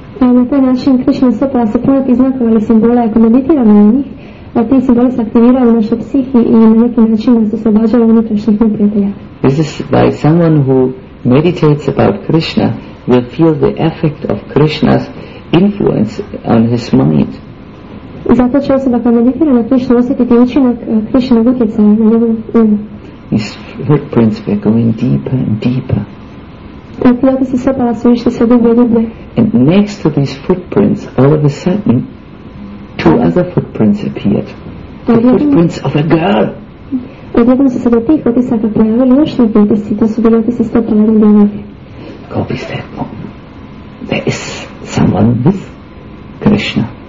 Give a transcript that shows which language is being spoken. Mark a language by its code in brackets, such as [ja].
[hr] A na taj način Krishna stopala se puno ti znakova ili simbola, ako meditiramo na njih, a ti simboli se aktiviraju u našoj psihi i na neki način nas oslobađaju unutrašnjih neprijatelja. [en] This is by someone who meditates about Krishna will feel the effect of Krishna's influence on his mind. [hr] Zato će osoba koja meditira na Krishna osjetiti učinak Krishna utjecaja na njegovu umu. [en] His footprints were going deeper and deeper. And next to these footprints, all of a sudden, two other footprints appeared. Footprints of a girl. Gopis said, there is someone with Krishna.